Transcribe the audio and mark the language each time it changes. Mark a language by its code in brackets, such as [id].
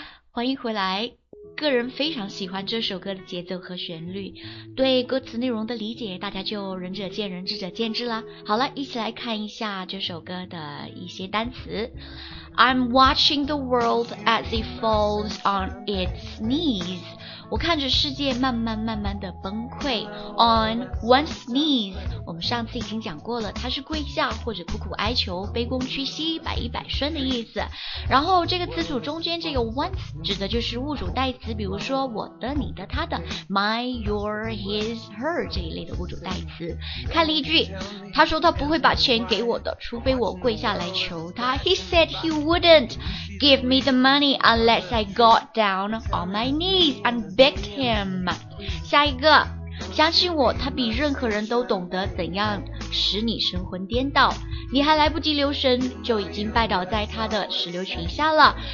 [zh] 欢迎回来，个人非常喜欢这首歌的节奏和旋律，对歌词内容的理解大家就仁者见仁智者见智啦。好了，一起来看一下这首歌的一些单词。 [en] I'm watching the world as it falls on its knees. [zh] 我看着世界慢慢慢慢的崩溃。 [en] On one's knees, [zh] 我们上次已经讲过了，它是跪下或者苦苦哀求，卑躬屈膝，百依百顺的意思。然后这个词组中间这个 once 指的就是物主代词，比如说我的、你的、他的 [en] my, your, his, her [zh] 这一类的物主代词。看例句，他说他不会把钱给我的，除非我跪下来求他。 [en] He said he wouldn't give me the money unless I got down on my knees and begged him. [zh] 下一个，相信我，他比任何人都懂得怎样使你神魂颠倒，你还来不及留神就已经拜倒在他的石榴裙下了。